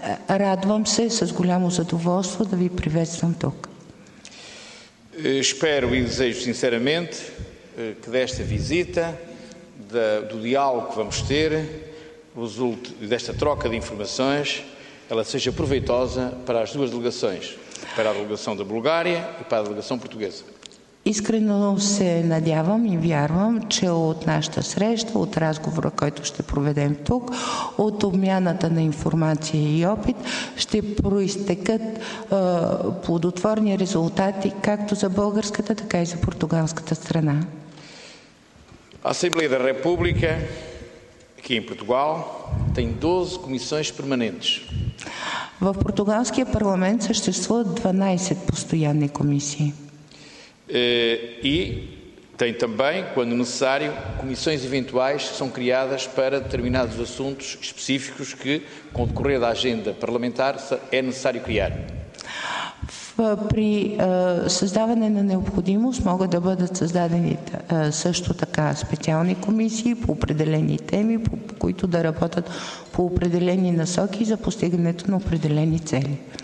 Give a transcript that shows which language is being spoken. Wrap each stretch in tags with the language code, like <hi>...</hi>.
<bg>Радвам се с голямо задоволство да ви приветствам тук.</bg> <pt>Espero e desejo sinceramente que desta visita, do diálogo que vamos ter, resulte desta troca de informações, ela seja proveitosa para as duas delegações, para a delegação da Bulgária e para a delegação portuguesa.</pt> <bg>Искрено се надявам и вярвам, че от нашата среща, от разговора, който ще проведем тук, от обмяната на информация и опит, ще проистекат плодотворни резултати както за българската, така и за португалската страна. Асамблея на Република</bg> <pt>aqui em Portugal, tem 12 comissões permanentes.</pt> <bg>В португалския парламент съществуват 12 постоянни комисии.</bg> <pt>E tem também, quando necessário, comissões eventuais que são criadas para determinados assuntos específicos que, com o decorrer da agenda parlamentar, é necessário criar.</pt> <bg>При създаване на необходимост могат да бъдат създадени също така специални комисии по определени теми, по които да работят по определени насоки за постигането на определени цели.</bg>